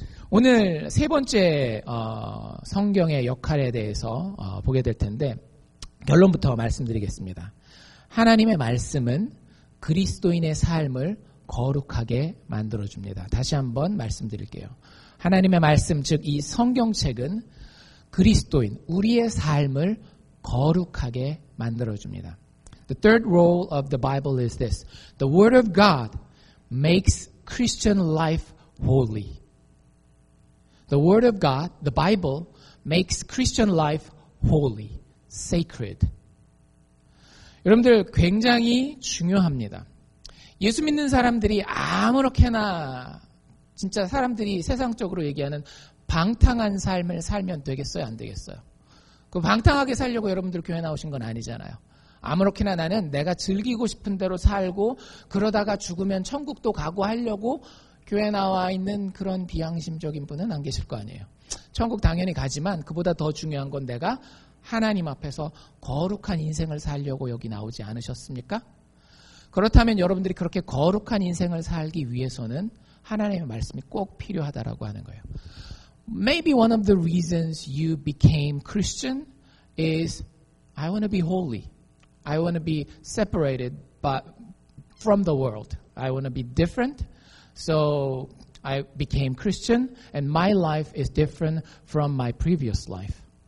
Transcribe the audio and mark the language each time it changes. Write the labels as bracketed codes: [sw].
[ko] 오늘 세 번째 성경의 역할에 대해서 보게 될 텐데 결론부터 말씀드리겠습니다. 하나님의 말씀은 그리스도인의 삶을 거룩하게 만들어줍니다. 다시 한번 말씀드릴게요. 하나님의 말씀, 즉 이 성경책은 그리스도인, 우리의 삶을 거룩하게 만들어줍니다. [en] The third role of the Bible is this. The Word of God makes Christian life holy. The Word of God, the Bible, makes Christian life holy, sacred. [ko] 여러분들 굉장히 중요합니다. 예수 믿는 사람들이 아무렇게나 진짜 사람들이 세상적으로 얘기하는 방탕한 삶을 살면 되겠어요? 안 되겠어요? 그 방탕하게 살려고 여러분들 교회 나오신 건 아니잖아요. 아무렇게나 나는 내가 즐기고 싶은 대로 살고 그러다가 죽으면 천국도 가고 하려고 교회 나와 있는 그런 비양심적인 분은 안 계실 거 아니에요. 천국 당연히 가지만 그보다 더 중요한 건 내가 하나님 앞에서 거룩한 인생을 살려고 여기 나오지 않으셨습니까? 그렇다면 여러분들이 그렇게 거룩한 인생을 살기 위해서는 하나님의 말씀이 꼭 필요하다라고 하는 거예요. [en] Maybe one of the reasons you became Christian is I want to be holy. I want to be separated but from the world. I want to be different. So I became Christian and my life is different from my previous life.